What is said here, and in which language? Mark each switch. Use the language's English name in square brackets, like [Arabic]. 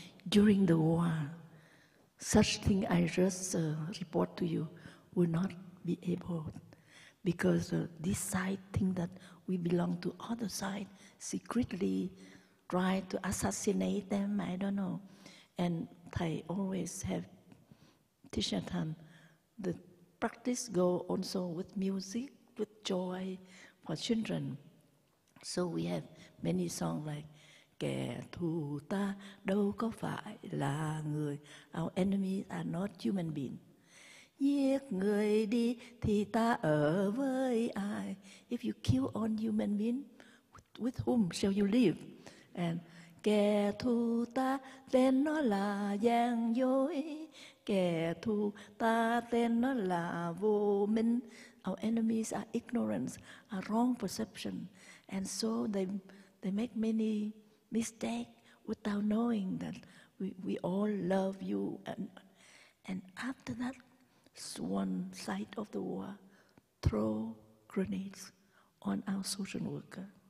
[English] During the war, such thing I just report to you would not be able, because this side think that we belong to other side, secretly try to assassinate them, I don't know. And Thay always have Thich Nhat Hanh, the practice go also with music, with joy for children. So we have many songs like [Vietnamese] Kẻ thù ta đâu có phải là người. [English] Our enemies are not human beings. [Vietnamese] Giết người đi thì ta ở với ai. [English] If you kill all human beings, with whom shall you live? [Vietnamese] And kẻ thù ta tên nó là gian dối, kẻ thù ta tên nó là vô minh. [English] Our enemies are ignorance, a wrong perception, and so they make many mistakes without knowing that we all love you. And after that, one side of the war throw grenades on our social worker.